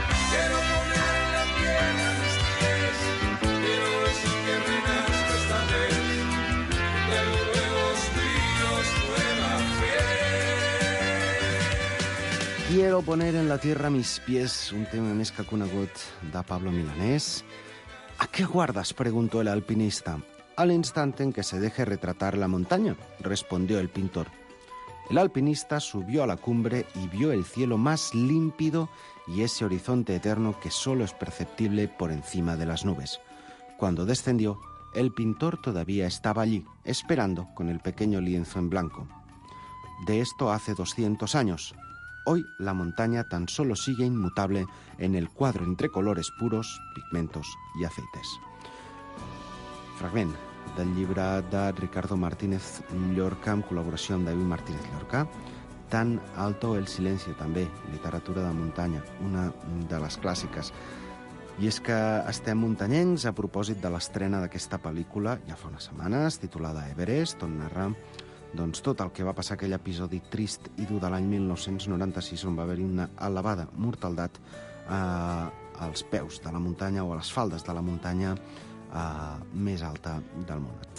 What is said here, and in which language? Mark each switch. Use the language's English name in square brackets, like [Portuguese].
[Spanish] Quiero poner en la piel mis pies, quiero decir que renazco esta vez, traigo nuevos días, nueva fe. Quiero poner en la tierra mis pies, [Catalan] un tema més que conegut de Pablo Milanés. [Spanish] ¿A qué guardas?, preguntó el alpinista. Al instante en que se deje retratar la montaña, respondió el pintor. El alpinista subió a la cumbre y vio el cielo más límpido y ese horizonte eterno que solo es perceptible por encima de las nubes. Cuando descendió, el pintor todavía estaba allí, esperando con el pequeño lienzo en blanco. De esto hace 200 años. Hoy la montaña tan solo sigue inmutable en el cuadro entre colores puros, pigmentos y aceites. [Catalan] Fragment del llibre de Ricardo Martínez Llorca en col·laboració amb David Martínez Llorca. Tan alto el silencio, també, literatura de muntanya, una de les clàssiques. I és que estem muntanyencs a propòsit de l'estrena d'aquesta pel·lícula, ja fa unes setmanes, titulada Everest, on narra doncs tot el que va passar aquell episodi trist i dur de l'any 1996, on va haver-hi una elevada mortaldat als peus de la muntanya o a les faldes de la muntanya més alta del món.